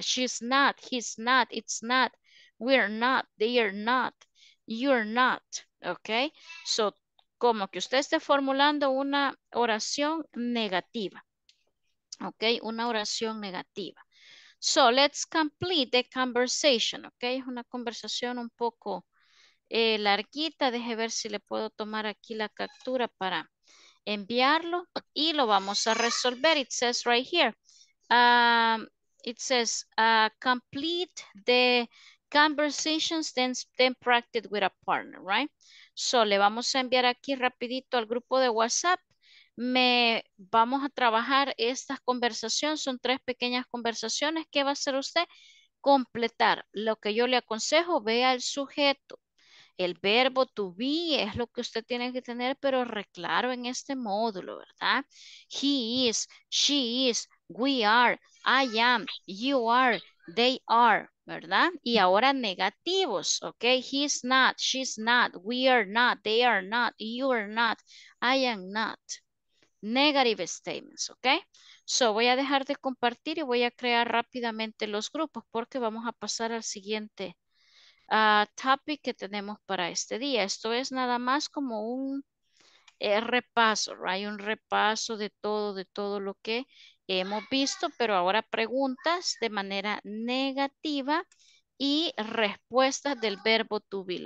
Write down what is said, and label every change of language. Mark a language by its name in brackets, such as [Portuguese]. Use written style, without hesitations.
[English] She's not, he's not, it's not, we're not, they're not, you're not, ¿ok? [Spanish] So, como que usted esté formulando una oración negativa, ¿ok? Una oración negativa. [English] So, let's complete the conversation, ¿ok? [Spanish] Es una conversación un poco larguita. Deje ver si le puedo tomar aquí la captura para enviarlo. Y lo vamos a resolver. [English] It says right here. It says, complete the conversations, then practice with a partner, right? [Spanish] So, le vamos a enviar aquí rapidito al grupo de WhatsApp. Vamos a trabajar estas conversaciones, son tres pequeñas conversaciones. ¿Qué va a hacer usted? Completar. Lo que yo le aconsejo, vea el sujeto. El verbo to be es lo que usted tiene que tener, pero reclaro en este módulo, ¿verdad? [English] He is, she is, we are, I am, you are, they are, ¿verdad? [Spanish] Y ahora negativos, ¿ok? [English] He's not, she's not, we are not, they are not, you are not, I am not. Negative statements, ¿ok? [Spanish] So, voy a dejar de compartir y voy a crear rápidamente los grupos porque vamos a pasar al siguiente topic que tenemos para este día. Esto es nada más como un repaso, ¿right? Un repaso de todo lo que hemos visto, pero ahora preguntas de manera negativa y respuestas del verbo to be.